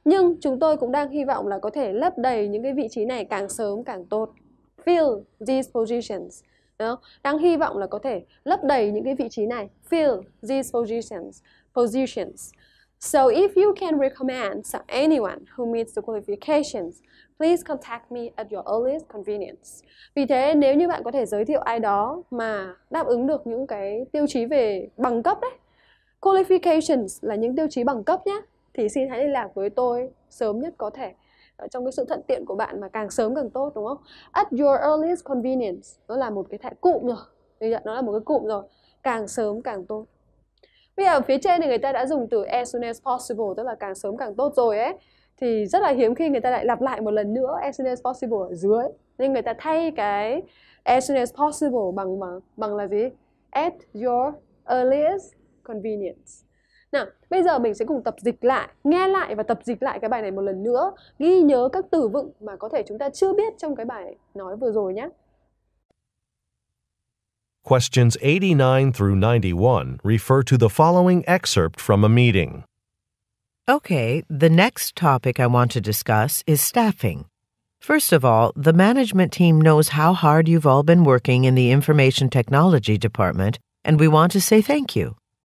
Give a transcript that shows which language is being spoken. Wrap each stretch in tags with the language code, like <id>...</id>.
<vi>Nhưng chúng tôi cũng đang hy vọng là có thể lấp đầy những cái vị trí này càng sớm càng tốt.</vi> <en>Fill these positions,</en> <vi>đúng không? Đang hy vọng là có thể lấp đầy những cái vị trí này.</vi> <en>Fill these positions. So if you can recommend anyone who meets the qualifications, please contact me at your earliest convenience.</en> <vi>Vì thế nếu như bạn có thể giới thiệu ai đó mà đáp ứng được những cái tiêu chí về bằng cấp đấy, qualifications là những tiêu chí bằng cấp nhé, thì xin hãy liên lạc với tôi sớm nhất có thể trong cái sự thuận tiện của bạn, mà càng sớm càng tốt đúng không?</vi> <en>At your earliest convenience,</en> <vi>nó là một cái thẻ cụm rồi, nó là một cái cụm rồi, càng sớm càng tốt. Bây giờ phía trên thì người ta đã dùng từ</vi> <en>as soon as possible,</en> <vi>tức là càng sớm càng tốt rồi ấy, thì rất là hiếm khi người ta lại lặp lại một lần nữa as soon as possible ở dưới. Nên người ta thay cái</vi> <en>as soon as possible</en> <vi>bằng là gì?</vi> <en>At your earliest convenience.</en> <vi>Nào, bây giờ mình sẽ cùng tập dịch lại, nghe lại và tập dịch lại cái bài này một lần nữa, ghi nhớ các từ vựng mà có thể chúng ta chưa biết trong cái bài nói vừa rồi nhé.</vi> <en>Questions 89 through 91 refer to the following excerpt from a meeting. Okay, the next topic I want to discuss is staffing. First of all, the management team knows how hard you've all been working in the information technology department, and we want to say thank you.</en>